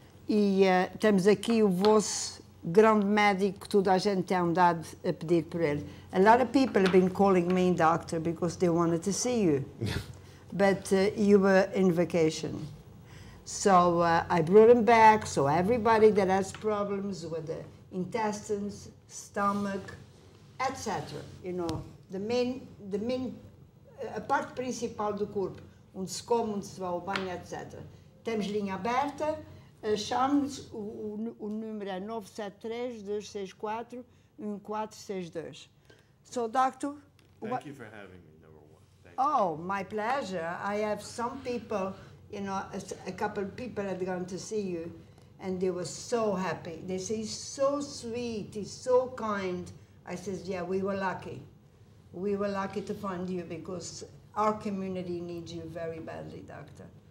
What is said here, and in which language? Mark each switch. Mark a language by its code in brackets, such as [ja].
[pt] E temos aqui o vosso grande médico que toda a gente tem andado a pedir por ele. [en] A lot of people have been calling me doctor because they wanted to see you. But you were in vacation. So I brought him back, so everybody that has problems with the intestines, stomach, etc. You know, [pt] a parte principal do corpo, onde se come, onde se vai ao banho, etc. Temos linha aberta, chame-nos, o número é 973-264-1462. [en] So, doctor... Thank you for having me, number one. Thank you. Oh, my pleasure. I have some people, a couple of people had gone to see you. And they were so happy. They say, he's so sweet, he's so kind. I says, yeah, we were lucky. We were lucky to find you because our community needs you very badly, doctor.